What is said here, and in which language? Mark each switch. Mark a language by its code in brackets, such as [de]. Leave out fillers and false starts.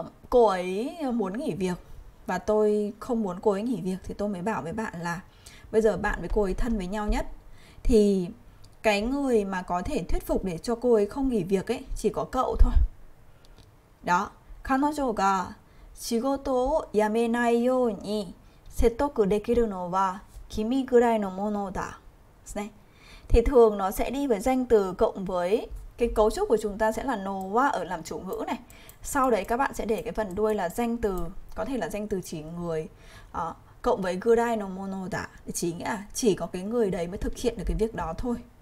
[vi] Cô ấy muốn nghỉ việc và tôi không muốn cô ấy nghỉ việc, thì tôi mới bảo với bạn là bây giờ bạn với cô ấy thân với nhau nhất, thì cái người mà có thể thuyết phục để cho cô ấy không nghỉ việc ấy chỉ có cậu thôi. Đó. [ja] 彼女が仕事を辞めないように説得できるのは君ぐらいのものだ。ね。 [vi] Thì thường nó sẽ đi với danh từ cộng với cái cấu trúc của chúng ta sẽ là no wa ở làm chủ ngữ này. Sau đấy các bạn sẽ để cái phần đuôi là danh từ, có thể là danh từ chỉ người, cộng với [ja] gurai no mono da, [vi] chỉ nghĩa là chỉ có cái người đấy mới thực hiện được cái việc đó thôi.